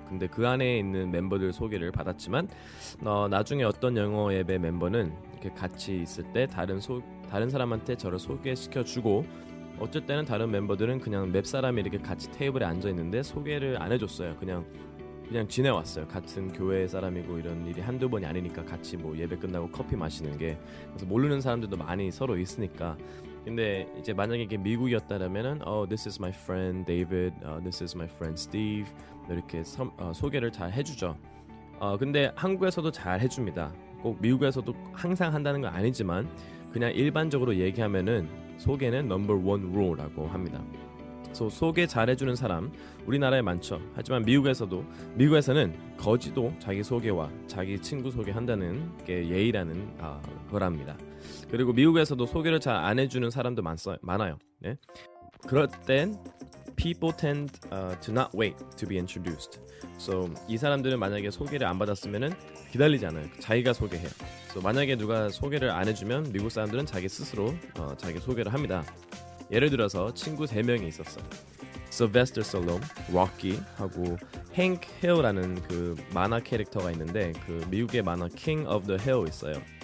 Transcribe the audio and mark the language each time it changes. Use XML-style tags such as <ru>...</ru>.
<ko>근데 그 안에 있는 멤버들 소개를 받았지만 나중에 어떤 영어 앱의 멤버는 이렇게 같이 있을 때 다른 사람한테 저를 소개시켜 주고 어쩔 때는 다른 멤버들은 그냥 맵 사람이 이렇게 같이 테이블에 앉아 있는데 소개를 안 해줬어요. 그냥 지내왔어요. 같은 교회 사람이고 이런 일이 한두 번이 아니니까 같이 뭐 예배 끝나고 커피 마시는 게 그래서 모르는 사람들도 많이 서로 있으니까. 근데 이제 만약에 이게 미국이었다면은</ko> <en>this is my friend David, this is my friend Steve</en> <ko>이렇게 소개를 잘 해주죠. 근데 한국에서도 잘 해줍니다. 꼭 미국에서도 항상 한다는 건 아니지만 그냥 일반적으로 얘기하면은 소개는</ko> <en>number one rule</en> <ko>라고 합니다. 소개 잘해주는 사람 우리나라에 많죠. 하지만 미국에서는 거지도 자기 소개와 자기 친구 소개한다는 게 예의라는 거랍니다. 그리고 미국에서도 소개를 잘 안 해주는 사람도 많아요. 네? 그럴 땐</ko> <en>people tend to not wait to be introduced.</en> <ko>So 이 사람들은 만약에 소개를 안 받았으면은 기다리지 않아요. 자기가 소개해요. So 만약에 누가 소개를 안 해주면 미국 사람들은 자기 스스로 자기 소개를 합니다. 예를 들어서 친구 세 명이 있었어. Sylvester Stallone, Rocky 하고 Hank Hill라는 그 만화 캐릭터가 있는데 그 미국의 만화 King of the Hill 있어요.</ko>